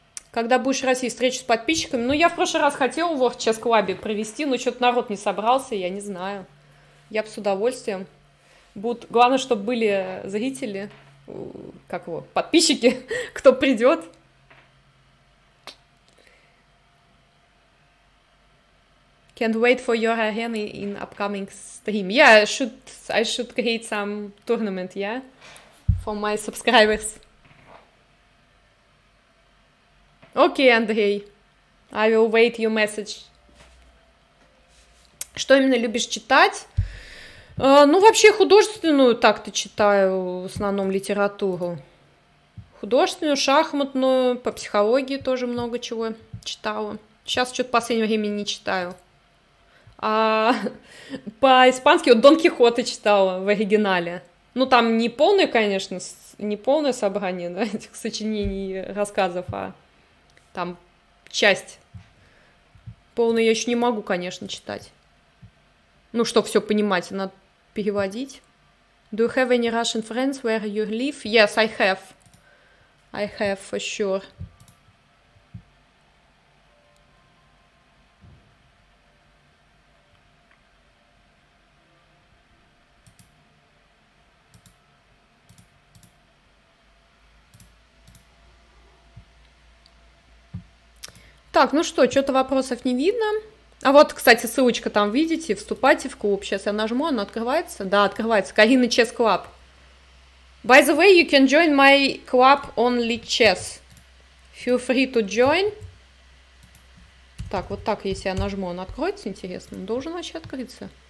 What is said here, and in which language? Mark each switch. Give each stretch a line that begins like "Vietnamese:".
Russian: Когда будешь в России, встречу с подписчиками? Ну, я в прошлый раз хотела в World Chess Club провести, но что-то народ не собрался, я не знаю. Я бы с удовольствием. Главное, чтобы были зрители, как его, подписчики, кто придет.
English: Can't wait for your arena in upcoming stream. Yeah, I should create some tournament, yeah, for my subscribers. Okay, Andrei, I will wait your message.
Russian: Что именно любишь читать? Ну, вообще художественную так-то читаю, в основном литературу. Художественную, шахматную, по психологии тоже много чего читала. Сейчас что-то в последнее время не читаю. А по-испански вот Дон Кихота читала в оригинале. Ну, там не полное, конечно, не полное собрание, да, этих сочинений, рассказов, а там часть. Полную я еще не могу, конечно, читать. Ну, чтобы все понимать, надо переводить.
English: Do you have any Russian friends where you live? Yes, I have. I have for sure.
Russian: Так, ну что, что-то вопросов не видно. А вот, кстати, ссылочка там, видите, вступайте в клуб. Сейчас я нажму, она открывается. Да, открывается. Карина Chess Club.
English: By the way, you can join my club only chess. Feel free to join.
Russian: Так, вот так, если я нажму, он откроется, интересно. Он должен вообще открыться.